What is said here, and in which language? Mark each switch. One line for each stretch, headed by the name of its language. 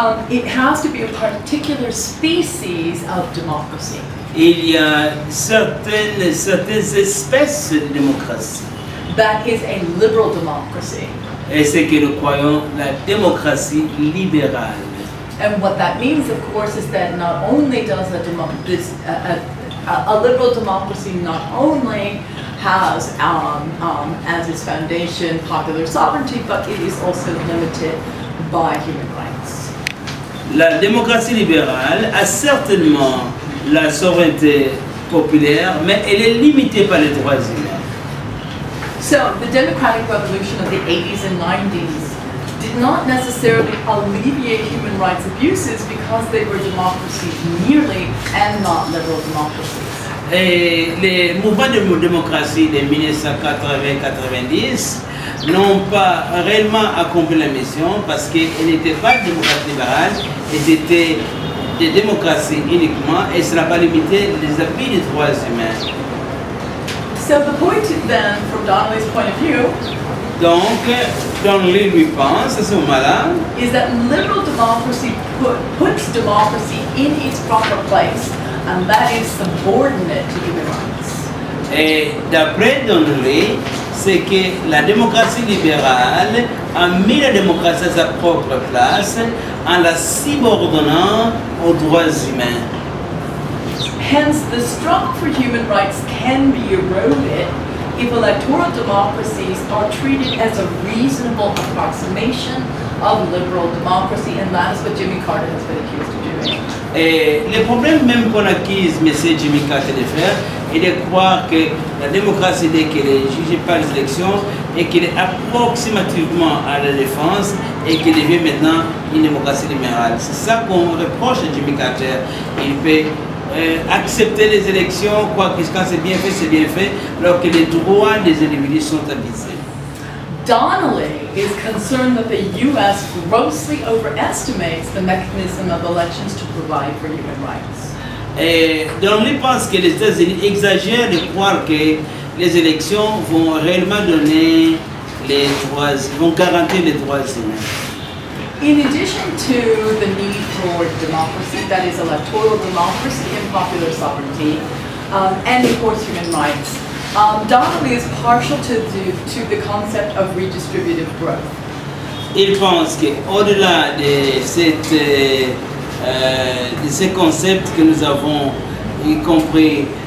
English: It has to be a particular species of democracy.
French: Il y a certaines espèces de démocratie.
English: that is a liberal democracy.
French: Et ce que nous croyons la démocratie libérale.
English: And what that means, of course, is that not only does a this a liberal democracy not only has as its foundation popular sovereignty, but it is also limited by human rights.
French: La démocratie libérale a certainement la souveraineté populaire, mais elle est limitée par les droits humains.
English: So, the democratic revolution of the 80s and 90s did not necessarily alleviate human rights abuses because they were democracies merely and not liberal democracies.
French: Et les mouvements de démocratie de 1980-90 n'ont pas réellement accompli la mission parce qu'elles n'étaient pas des démocraties libérales, elles étaient des démocraties uniquement et cela n'a pas limité les abus des droits humains.
English: So the point then, from Donnelly's point of view,
French: donc, Donnelly lui pense à ce moment-là,
English: is that liberal democracy puts democracy in its proper place, and that is subordinate to human rights.
French: Et d'après Donnelly, c'est que la démocratie libérale a mis la démocratie à sa propre place en la subordonnant aux droits humains.
English: Hence, the struggle for human rights can be eroded if electoral democracies are treated as a reasonable approximation of liberal democracy, and that is what Jimmy Carter has been accused of doing.
French: Et le problème même qu'on accuse M. Jimmy Carter de faire est de croire que la démocratie, dès qu'elle est jugée par les élections, et qu'elle est approximativement à la défense, et qu'elle devient maintenant une démocratie libérale. C'est ça qu'on reproche à Jimmy Carter. Il fait accepter les élections, quoi que quand c'est bien fait, alors que les droits des individus sont abîmés.
English: Donnelly is concerned that the U.S. grossly overestimates the mechanism of elections to provide for human rights.
French: Et Donnelly pense que les États-Unis exagèrent de croire que les élections vont réellement donner les droits, vont garantir les droits humains.
English: In addition to the need for democracy, that is electoral democracy and popular sovereignty, and of course human rights, Donnelly is partial to the concept of redistributive growth.
French: Il pense qu'au-delà de ce concept que nous avons, y compris